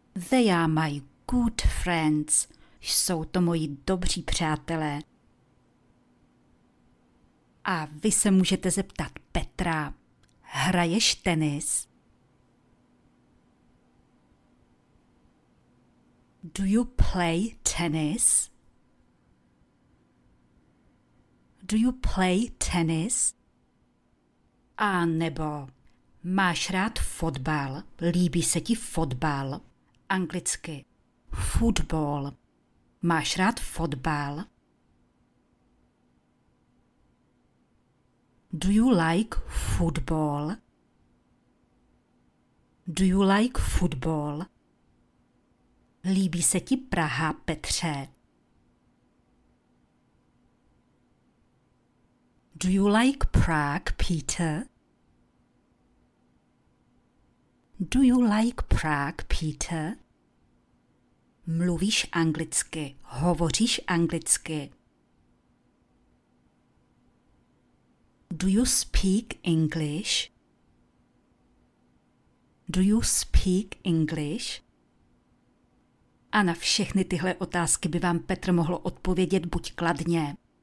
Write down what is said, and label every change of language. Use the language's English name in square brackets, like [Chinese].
[English] They are my good friends. [Czech] Jsou to moji dobří přátelé. A vy se můžete zeptat Petra. Hraješ tenis? [English] Do you play tennis? Do you play tennis? [Czech] A nebo máš rád fotbal? Líbí se ti fotbal? Anglicky football. Máš rád fotbal? [English] Do you like football? Do you like football? [Czech] Líbí se ti Praha, Petře? [English] Do you like Prague, Peter? Do you like Prague, Peter? [Czech] Mluvíš anglicky, hovoříš anglicky. [English] Do you speak English? Do you speak English? [Czech] A na všechny tyhle otázky by vám Petr mohl odpovědět buď kladně.